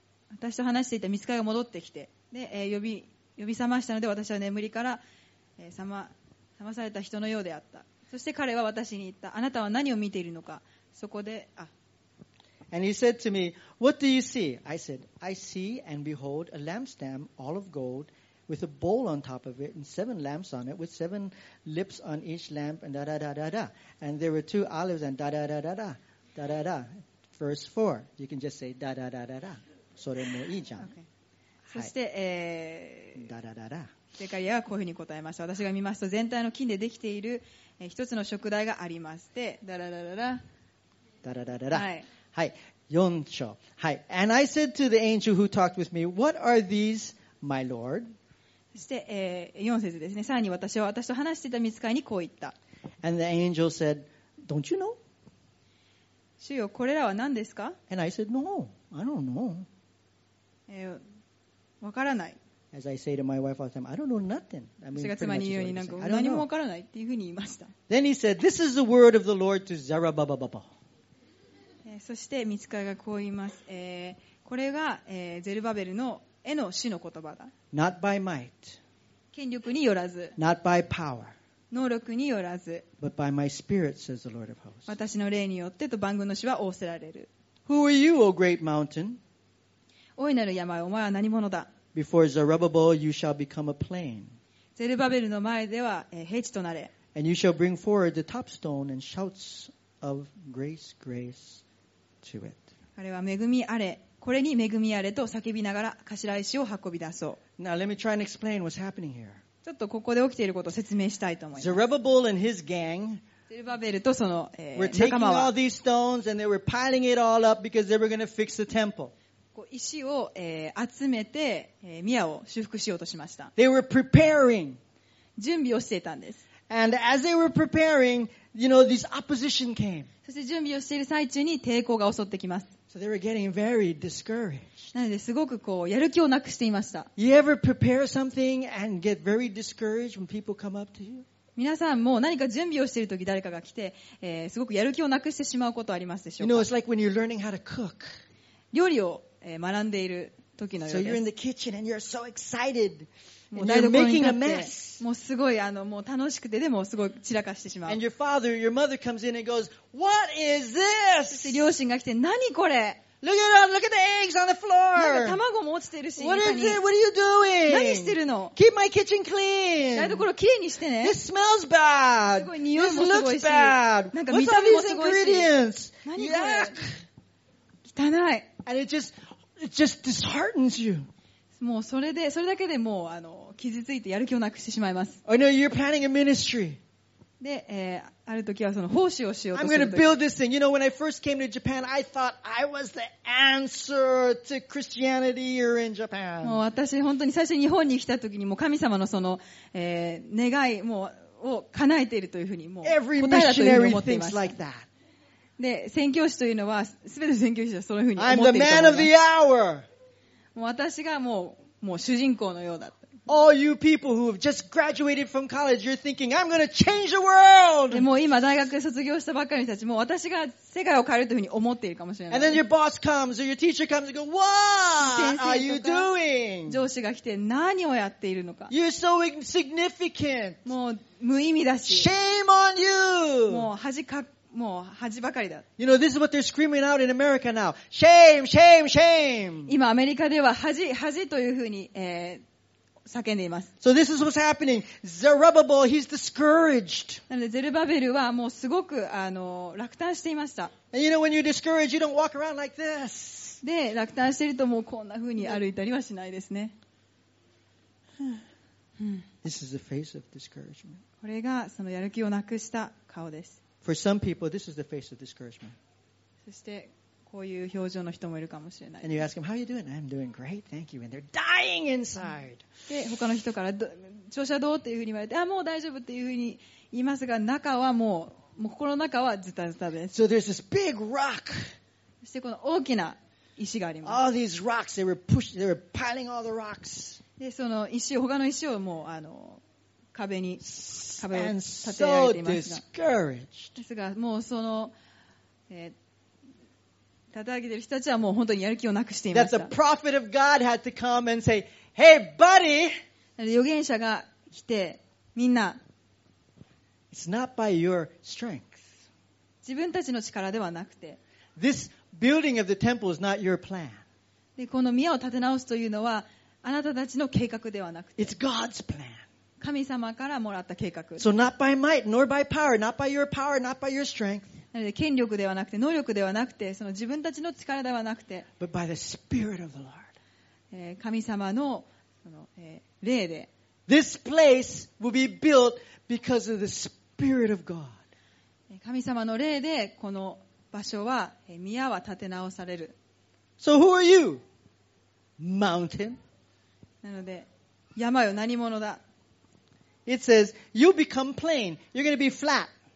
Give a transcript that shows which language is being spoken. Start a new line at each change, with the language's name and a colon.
Japanese: 私と話していた御使いが戻ってきて、で、呼び覚ましたので私は眠りから、騙された人のようであった。そして彼は私に言った。あなたは何を見ているのか。そこで、
English: And he said to me, What do you see? I said, I see and behold a lampstand all of gold with a bowl on top of it and seven lamps on it with seven lips on each lamp and da da da da da. And there were two olives and da da da da da. Da da da. Verse 4. You can just say da da da da da.
Japanese: それもいいじゃん。そして、 da da da da. ゼカリアはこういうふうに答えました。私が見ますと全体の金でできている一つの燭台があります。で、ダラダラダ。ダラダラダ。はい。四章。はい。
English: And I said to the angel who talked with me, What are these, my lord?
Japanese: そして、四節ですね。さらに私は私と話していた御使いにこう言った。
English: And the angel said, Don't you know?
Japanese: 主よ、これらは何ですか?
English: And I said, No, I don't know.
Japanese: わからない。
English: As I say to my wife all the time, I don't know nothing. I mean,
Japanese: 私が妻に言うように何か何もわからないっていうふうに言いました。
English: Then he said, This is the word of the Lord to Zerubbabel.
Japanese: そして御使いがこう言います。これが、ゼルバベルの絵の主の言葉だ。
English: Not by might.
Japanese: 権力によらず。
English: Not by power.
Japanese: 能力によらず。
English: But by my spirit, says the Lord of hosts.
Japanese: 私の霊によってと万軍の主は仰せられる。
English: Who are you, O great mountain?
Japanese: 大いなる山、お前は何者だ。
English: Before Zerubbabel, you shall become a plain.
Japanese: ゼルバベルの前では平地となれ。
English: And you shall bring forward the top stone and shouts of grace, grace to it.
Japanese: 彼は恵みあれ、これに恵みあれと叫びながら頭石を運び出そう。
English: Now let me try and explain what's happening here.
Japanese: ちょっとここで起きていることを説明したいと思います。
English: Zerubbabel and his gang.
Japanese: ゼルバベルとその仲間は。
English: Were taking all these stones and they were piling it all up because they were going to fix the temple.
Japanese: 石を集めて宮を修復しようとしました。
English: They were preparing.
Japanese: 準備をしていたんです。
English: And as they were preparing, you know, this opposition came.
Japanese: そして準備をしている最中に抵抗が襲ってきます。
English: So they were getting very discouraged.
Japanese: なのですごくこうやる気をなくしていました。
English: You ever prepare something and get very discouraged when people come up to you?
Japanese: 皆さんも何か準備をしているとき誰かが来て、すごくやる気をなくしてしまうことはありますでしょうか?
English: You know, it's like when you're learning how to cook.
Japanese: 料理を学んでいる時のようです。
English: So you're in the kitchen and you're so excited. You're making a mess.
Japanese: もうすごいもう楽しくてでもすごい散らかしてしまう。
English: And your father, your mother comes in and goes, "What is this?"
Japanese: で両親が来て何これ
English: ？Look at it! Look at the eggs on the floor.
Japanese: なんか卵も落ちてるし。
English: What is it? What are you doing?
Japanese: 何してるの
English: ？Keep my kitchen clean.
Japanese: 台所きれいにしてね。
English: This smells bad.
Japanese: すごい匂いもすごいし。
English: This looks bad.
Japanese: なんか見た目もすごいし。
English: What's all these ingredients?
Japanese: 何これ？Yuck. 汚い。
English: And it just disheartens you.
Japanese: もうそれだけでもう傷ついてやる気をなくしてしまいます。
English: I know you're planning a ministry.
Japanese: で、ある時はその奉仕をしようとする時。
English: I'm going to build this thing. You know, when I first came to Japan, I thought I was the answer to Christianity here in Japan.
Japanese: もう私本当に最初日本に来た時にもう神様のその、願いもうを叶えているというふうにもう答えだというふうに思っています。
English: Every missionary thinks like that.
Japanese: で、宣教師というのは、すべての宣教師はそういうふうに思っていると思います。
English: I'm the man of the hour.
Japanese: もう私がもう主人公のようだ。
English: All you people who have just graduated from college, you're thinking, I'm going to change the world!
Japanese: もう今大学で卒業したばっかりの人たちも私が世界を変えるというふうに思っているかもしれない。
English: And then your boss comes or your teacher comes and goes, What are you doing?
Japanese: 上司が来て何をやっているのか。
English: You're so insignificant!
Japanese: もう無意味だし。
English: Shame on you!
Japanese: もう恥ばかりだ。
English: You know, this is what they're screaming out in America now. Shame, shame, shame!
Japanese: 今アメリカでは恥、恥というふうに、叫んでいます。
English: So this is what's happening. Zerubbabel, he's discouraged.
Japanese: なので、ゼルバベルはもうすごく、落胆していました。
English: And you know, when you're discouraged, you don't walk around like this.
Japanese: で、落胆しているともうこんな風に歩いたりはしないですね。
English: This is the face of discouragement.
Japanese: これがそのやる気をなくした顔です。
English: For some people, this is the face of discouragement.
Japanese: そして、こういう表情の人もいるかもしれない。
English: And you ask him, how are you doing? I'm doing great, thank you. And they're dying inside.
Japanese: で、他の人から調子はどうっていうふうに言われて、あ、もう大丈夫っていうふうに言いますが、中はもう心の中はズタズタです。
English: So there's this big rock.
Japanese: そしてこの大きな石があります。
English: All these rocks, they were piling all the rocks.
Japanese: で、その石、他の石をもう壁に壁を立て上げていますが。
English: And so discouraged.
Japanese: ですが、もうその叩いている人たちはもう本当にやる気をなくしていました。
English: Say, hey, buddy,
Japanese: 預言者が来て、みんな、
English: It's not by your strength.
Japanese: 自分たちの力ではなくて、
English: This building of the temple is not your plan.
Japanese: でこの宮を建て直すというのは、あなたたちの計画ではなくて、
English: It's God's plan.
Japanese: 神様からもらった計画。
English: So not by might, nor by power, not by your power, not by your strength.
Japanese: なので権力ではなくて能力ではなくてその自分たちの力ではなくて
English: But by the Spirit of the Lord.
Japanese: 神様 の, その、霊で
English: This place will be built because of the Spirit of God.
Japanese: 神様の霊でこの場所は宮は建て直される
English: So who are you? Mountain.
Japanese: なので山よ何者だ
English: It says you become plain. You're going to be flat.